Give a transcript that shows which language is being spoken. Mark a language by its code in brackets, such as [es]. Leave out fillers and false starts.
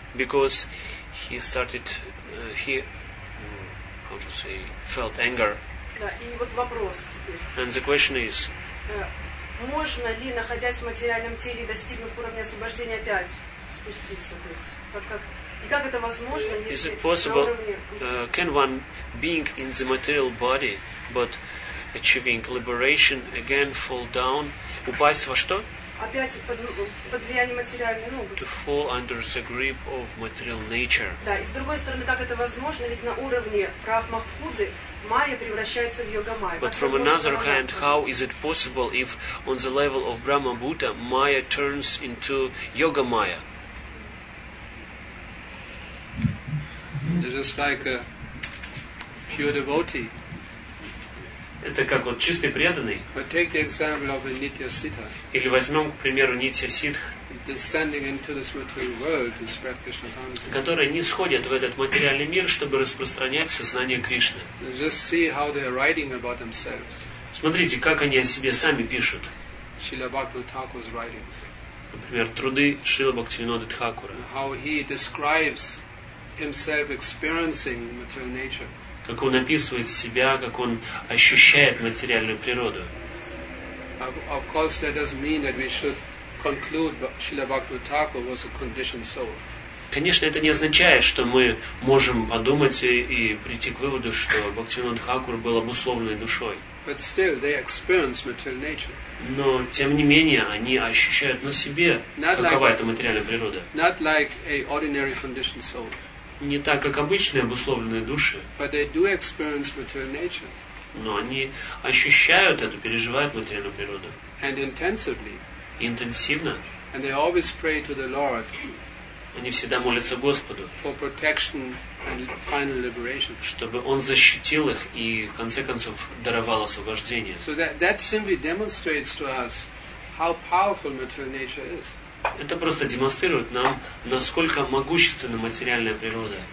[en] Because he started, how to say, felt anger. [ru] Да, и вот вопрос теперь. [en] And the question is. [ru] Можно ли, находясь в материальном теле, достигнув уровня освобождения, опять спуститься? То есть, и как это возможно, если [en] is it possible, can one, being in the material body, but achieving liberation, again fall down? [ru] Упасть во что? Опять под влиянием материальной ноги. [en] To fall under the grip of material nature. [ru] Да, и с другой стороны, как это возможно, ведь на уровне прахмахуды майя превращается в йога-майя. [en] But from another hand, how is it possible if on the level of Brahma-Buddha, майя turns into йога-майя? Just like a pure devotee. [ru] Это как вот чистый преданный. [en] But take the example of a Nitya Siddha. [ru] Или возьмем, к примеру, Нитья Сидх, [en] descending into this material world to spread Krishna consciousness. [ru] Которые не сходят в этот материальный мир, чтобы распространять сознание Кришны. [en] Just see how they are writing about themselves. [ru] Смотрите, как они о себе сами пишут. [en] Srila Bhaktivinoda Thakur's writings. [ru] Например, труды Шрилы Бхактивинода Тхакура. [en] How he describes himself experiencing material nature. [ru] Как он описывает себя, как он ощущает материальную природу. [en] Of course, that doesn't mean that we should conclude Srila Bhaktivinoda Thakur was a conditioned soul. [ru] Конечно, это не означает, что мы можем подумать и прийти к выводу, что Бхактивинода Тхакур был обусловленной душой. [en] But still, they experience material nature. [ru] Но, тем не менее, они ощущают на себе, [en] not [ru] какова [en] like, [ru] эта материальная природа. [en] Not like a ordinary conditioned soul. [ru] Не так, как обычные обусловленные души. [en] But they do experience material nature. [ru] Но они ощущают это, переживают материальную природу. [en] And intensively. [ru] Интенсивно. [en] And they always pray to the Lord. [ru] Они всегда молятся Господу. [en] For protection and final liberation. [ru] Чтобы Он защитил их и, в конце концов, даровал освобождение. [en] So that simply demonstrates to us how powerful material nature is. [ru] Это просто демонстрирует нам, насколько могущественна материальная природа.